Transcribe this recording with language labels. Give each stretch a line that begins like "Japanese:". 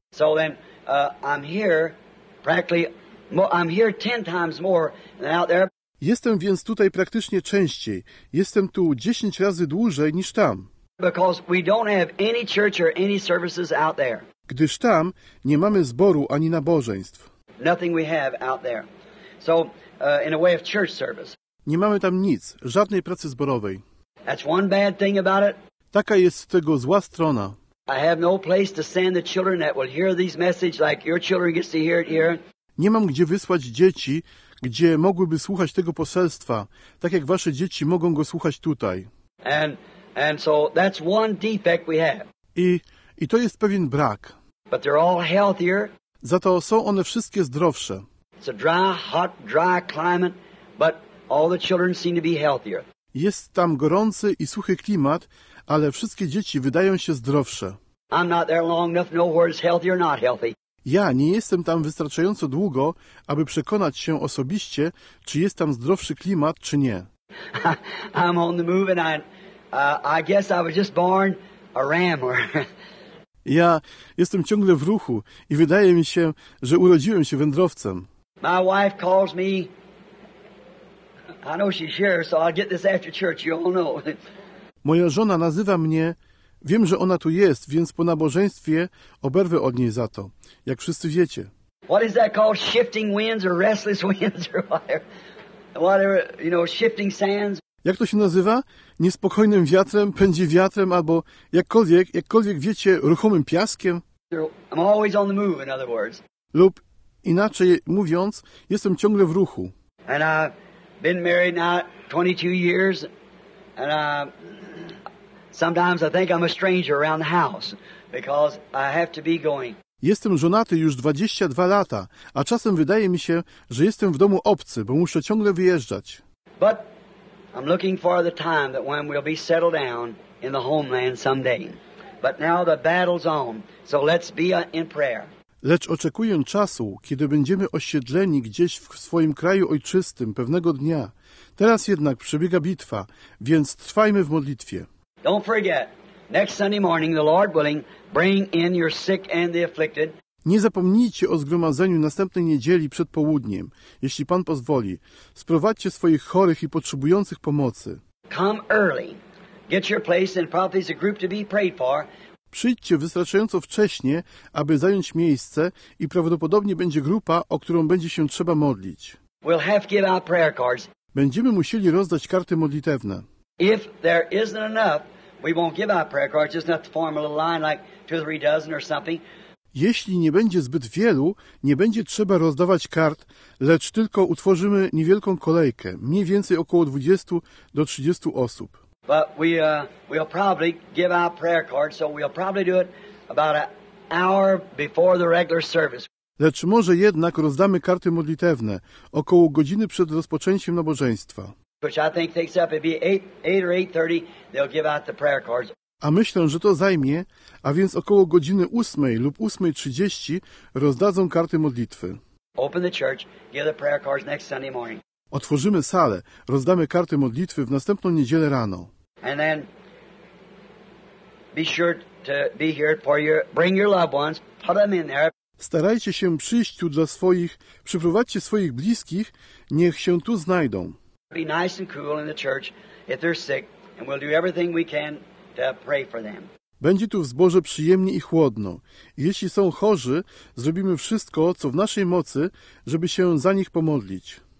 English: So then, I'm here practically, I'm here 10 times more than out there.
Polish: Jestem więc tutaj praktycznie częściej. Jestem tu 10 razy dłużej niż tam.
English: Because we don't have any church or any services out there.
Polish: Gdyż tam nie mamy zboru ani nabożeństw.
English: Nothing we have out there. So, in a way of church service.
Polish: Nie mamy tam nic, żadnej pracy zborowej.
English: That's one bad thing about it.
Polish: Taka jest tego zła strona.
English: I have no place to send the children that will hear these messages like your children get to hear it here.
Polish: Nie mam gdzie wysłać dzieci, gdzie mogłyby słuchać tego poselstwa, tak jak wasze dzieci mogą go słuchać tutaj.
English: And so that's one defect we have.
Polish: I to jest pewien brak.
English: But they're all healthier.
Polish: Za to są one wszystkie zdrowsze.
English: It's a dry, hot, dry climate, but all the children seem to be healthier.
Polish: Jest tam gorący i suchy klimat, ale wszystkie dzieci wydają się zdrowsze.
English: I'm not there long enough to know whether it's healthy or not healthy.
Polish: Ja nie jestem tam wystarczająco długo, aby przekonać się osobiście, czy jest tam zdrowszy klimat, czy nie.
English: I'm on the move and I guess I was just born a rambler.
Polish: Ja jestem ciągle w ruchu i wydaje mi się, że urodziłem się wędrowcem.
English: My wife calls me. I know she's here, so I'll get this after church. You all know.
Polish: Moja żona nazywa mnie. Wiem, że ona tu jest, więc po nabożeństwie oberwę od niej za to, jak wszyscy wiecie.
English: What is that called? Shifting winds or restless winds or whatever, you know, shifting sands.
Polish: Jak to się nazywa? Niespokojnym wiatrem, pędzi wiatrem, albo jakkolwiek wiecie, ruchomym piaskiem.
English: I'm always on the move, in other words.
Polish: Lub inaczej mówiąc, jestem ciągle w ruchu.
English: And I've been married now 22 years, and sometimes I think I'm a stranger around the house because I have to be going.
Polish: Jestem żonaty już 22 lata, a czasem wydaje mi się, że jestem w domu obcy, bo muszę ciągle wyjeżdżać.
English: But I'm looking for the time that when we'll be settled down in the homeland someday. But now the battle's on, so let's be in prayer.
Polish: Lecz oczekuję czasu, kiedy będziemy osiedleni gdzieś w swoim kraju ojczystym pewnego dnia. Teraz jednak przebiega bitwa, więc trwajmy w modlitwie.
English: Don't forget, next Sunday morning, the Lord willing, bring in your sick and the afflicted.
Polish: Nie zapomnijcie o zgromadzeniu następnej niedzieli przed południem, jeśli Pan pozwoli. Sprowadźcie swoich chorych i potrzebujących pomocy.
English: Come early. Get your place and probably a group to be prayed for.
Polish: Przyjdźcie wystarczająco wcześnie, aby zająć miejsce i prawdopodobnie będzie grupa, o którą będzie się trzeba modlić.
English: We'll have to give out prayer cards.
Polish: Będziemy musieli rozdać karty modlitewne.
English: If there isn't enough, we won't give out prayer cards, just not to form a little line like 2 or 3 dozen or something.
Polish: Jeśli nie będzie zbyt wielu, nie będzie trzeba rozdawać kart, lecz tylko utworzymy niewielką kolejkę, mniej więcej około 20 do 30 osób.
English: But we'll probably give out prayer cards, so we'll probably do it about an hour before the regular service.
Polish: Lecz może jednak rozdamy karty modlitewne około godziny przed rozpoczęciem nabożeństwa.
English: Which I think takes up, it'd be 8 or 8:30, they'll give out the prayer cards.
Polish: A myślę, że to zajmie, a więc około godziny 8 lub 8:30 rozdadzą karty modlitwy.
English: Open the church, give the prayer cards next Sunday morning.
Polish: Otworzymy salę, rozdamy karty modlitwy w następną niedzielę rano.
English: And then be sure to be here for your, bring your loved ones, put them in there.
Polish: Starajcie się przyjść tu dla swoich, przyprowadźcie swoich bliskich, niech się tu znajdą.
English: be nice and cool in the church if they're sick, and we'll do everything we can to pray for them.
Polish: Będzie tu w zborze przyjemnie i chłodno. Jeśli są chorzy, zrobimy wszystko, co w naszej mocy, żeby się za nich pomodlić.